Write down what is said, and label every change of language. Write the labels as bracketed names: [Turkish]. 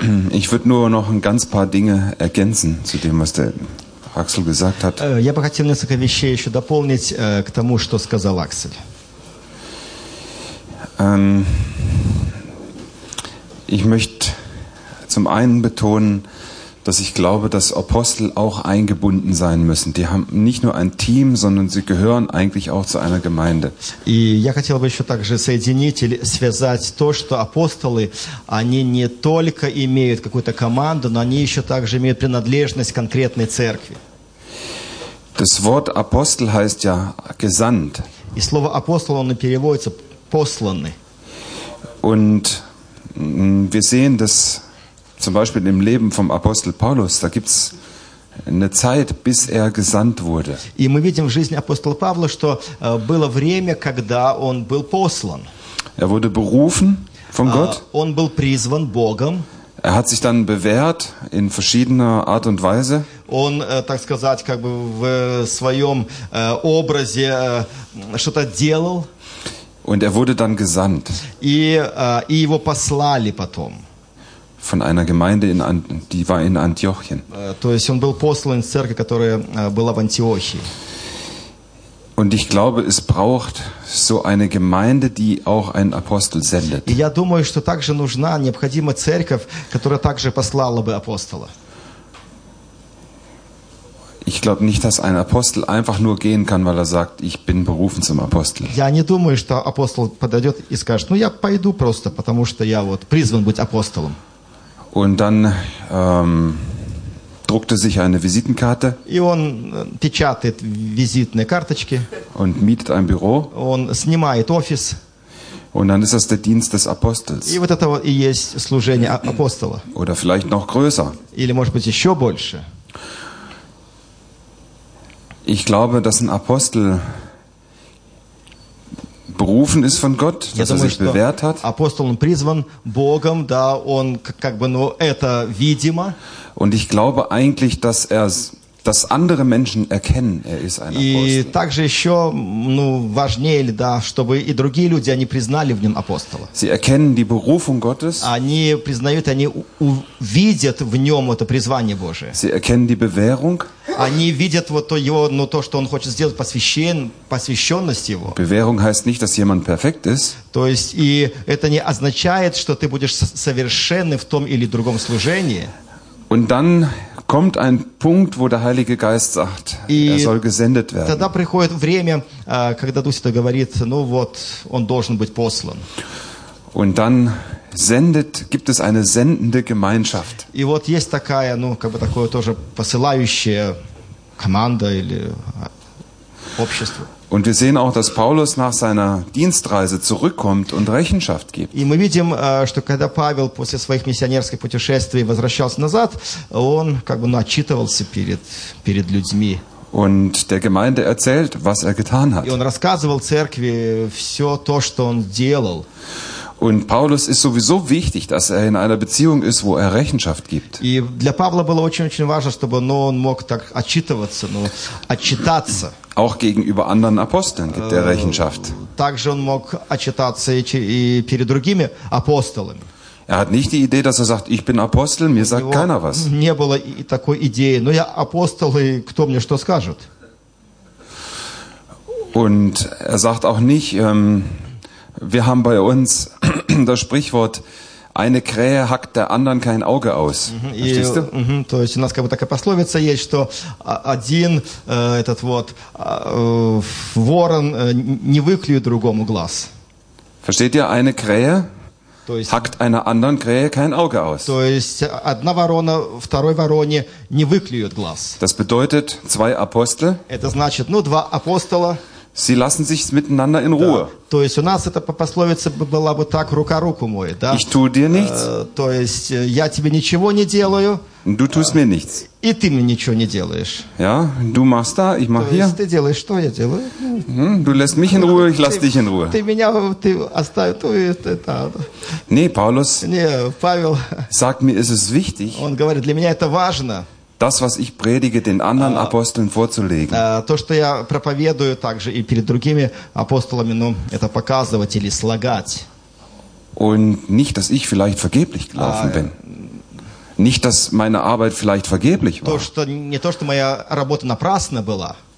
[German] Ich würde nur noch ein ganz paar Dinge ergänzen zu dem, was der Axel gesagt hat. [Russian] Я бы хотел несколько вещей еще дополнить к тому, что сказал Аксель. [German] Ich möchte zum einen betonen, dass ich glaube, dass Apostel auch eingebunden sein müssen. Die haben nicht nur ein Team, sondern sie gehören eigentlich auch zu einer Gemeinde. [Russian] И я хотел бы еще также соединить или связать то, что апостолы, они не только имеют какую-то команду, но они еще также имеют принадлежность конкретной церкви. [German] Das Wort Apostel heißt ja gesandt. [Russian] И слово апостол, оно переводится посланный. [German] Und wir sehen das zum Beispiel im Leben vom Apostel Paulus, da gibt es eine Zeit, bis er gesandt wurde. [Russian] И мы видим в жизни апостола Павла, что было время, когда он был послан. [German] Er wurde berufen von Gott. [Russian] Он был призван Богом. [German] Er hat sich dann bewährt in verschiedener Art und Weise. [Russian] Он, так сказать, как бы в своем образе что-то делал. [German] Und er wurde dann gesandt. [Russian] И его послали потом. [German] Von einer Gemeinde, die war in Antiochien. [Russian] То есть он был послан из церкви, которая была в Антиохии. [German] Und ich glaube, es braucht so eine Gemeinde, die auch einen Apostel sendet. [Russian] Я думаю, что также нужна необходима церковь, которая также послала бы апостола. [German] Ich glaube nicht, dass ein Apostel einfach nur gehen kann, weil er sagt, ich bin berufen zum Apostel. [Russian] Я не думаю, что апостол подойдет и скажет, ну я пойду просто, потому что я вот призван быть апостолом. [German] Und dann druckte sich eine Visitenkarte. [Russian] И он печатает визитные карточки. [German] Und mietet ein Büro. [Russian] Он снимает офис. [German] Und dann ist das der Dienst des Apostels. [Russian] И вот это вот и есть служение апостола. [German] Oder vielleicht noch größer. [Russian] Или может быть еще больше. [German] Ich glaube, dass ein Apostel berufen ist von Gott, dass er sich bewährt hat. [Russian] Апостол он призван Богом, да, он как бы, ну, это видимо. [German] Und ich glaube eigentlich, dass er, dass andere Menschen erkennen, er ist ein Apostel. [Russian] И также еще, ну, важнее, да, чтобы и другие люди они признали в нем апостола. [German] Sie erkennen die Berufung Gottes. [Russian] Они признают, они видят в нем это призвание Божие. [German] Sie erkennen die Bewährung. [Russian] Они видят вот то его, ну, то, что он хочет сделать, посвященность его. [German] Bewährung heißt nicht, dass jemand perfekt ist. [Russian] То есть и это не означает, что ты будешь совершенный в том или другом служении. [German] Und dann kommt ein Punkt, wo der Heilige Geist sagt, er soll gesendet werden. [Russian] Тогда приходит время, когда Дух Святой говорит, ну вот, он должен быть послан. [German] Und dann sendet, gibt es eine sendende Gemeinschaft. [Russian] И вот есть такая, ну, как бы такое тоже посылающая команда или общество. [German] Und wir sehen auch, dass Paulus nach seiner Dienstreise zurückkommt und Rechenschaft gibt. [Russian] И мы видим, что когда Павел после своих миссионерских путешествий возвращался назад, он как бы отчитывался перед людьми. [German] Und der Gemeinde erzählt, was er getan hat. [Russian] И он рассказывал церкви все то, что он делал. [German] Und Paulus ist sowieso wichtig, dass er in einer Beziehung ist, wo er Rechenschaft gibt. [Russian] И для Павла было очень-очень важно, чтобы он мог так отчитываться, ну, отчитаться. [German] Auch gegenüber anderen Aposteln gibt er Rechenschaft. [Russian] Также он мог отчитаться и перед другими апостолами. [German] Er hat nicht die Idee, dass er sagt, ich bin Apostel, mir sagt keiner was. [Russian] Не было такой идеи, но я апостол, и кто мне что скажет? [German] Und er sagt auch nicht, wir haben bei uns das Sprichwort, eine Krähe hackt der anderen kein Auge aus. Verstehst du? [Russian] То есть у нас как бы такая пословица есть, что один этот вот ворон не выклюет другому глаз. [German] Versteht ihr, eine Krähe hackt einer anderen Krähe kein Auge aus. [Russian] То есть одна ворона второй вороне не выклюет глаз. [German] Das bedeutet zwei Apostel. [Russian] Это значит, ну, два апостола. [German] Sie lassen sich miteinander in Ruhe. [Russian] То есть у нас эта пословица была бы так, рука руку моет, да? [German] Ich tue dir nichts. [Russian] То есть я тебе ничего не делаю. [German] Du tust mir nichts. [Russian] И ты мне ничего не делаешь. [German] Ja, du machst da, ich mach hier. [Russian] То есть ты делаешь, что я делаю? [German] Du lässt mich in Ruhe, ich lass dich in Ruhe. [Russian] Ты оставишь, ты это. [German] Nee, Paulus. Nee, [Russian] Павел. [German] Sag mir, ist es wichtig? [Russian] Он говорит, для меня это важно. [German] Das, was ich predige, den anderen Aposteln vorzulegen. [Russian] То, что я проповедую также и перед другими апостолами, ну, это показывать или слагать. [German] Und nicht, dass ich vielleicht vergeblich gelaufen bin. Nicht, dass meine Arbeit vielleicht vergeblich war. [Russian] Не то, что моя работа напрасна была.